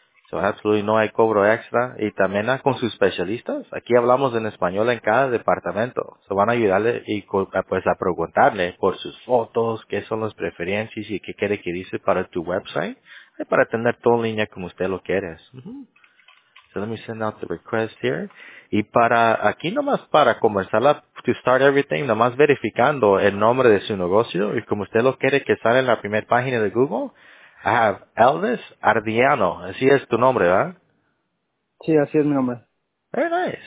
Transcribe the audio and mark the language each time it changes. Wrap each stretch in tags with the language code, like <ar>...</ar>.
<en>So absolutely</en> <es>no hay cobro extra. Y también con sus especialistas. Aquí hablamos en español en cada departamento. So van a ayudarle y pues a preguntarle por sus fotos, qué son las preferencias y qué quiere que dice para tu website. Y para tener todo en línea como usted lo quiere.</es> <en>So let me send out the request here.</en> <es>Y para aquí nomás para comenzar la</es> <en>to start everything,</en> <es>nomás verificando el nombre de su negocio y como usted lo quiere que sale en la primera página de Google, I have Elvis Ardiano. Así es tu nombre, ¿verdad? Sí, así es mi nombre.</es> <en>Very nice.</en>